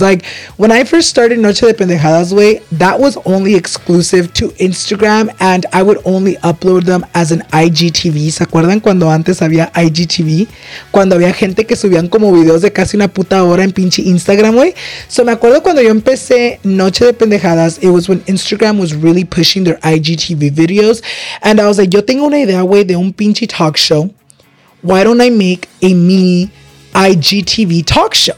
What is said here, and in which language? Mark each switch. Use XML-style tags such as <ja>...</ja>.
<en>Like, when I first started Noche de Pendejadas, güey, that was only exclusive to Instagram, and I would only upload them as an IGTV.</en> <es>¿Se acuerdan cuando antes había IGTV? Cuando había gente que subían como videos de casi una puta hora en pinche Instagram, güey. So me acuerdo cuando yo empecé Noche de Pendejadas, it was when Instagram was really pushing their IGTV videos, and I was like, yo tengo una idea, güey, de un pinche talk show.</es> <en>Why don't I make a mini IGTV talk show?</en>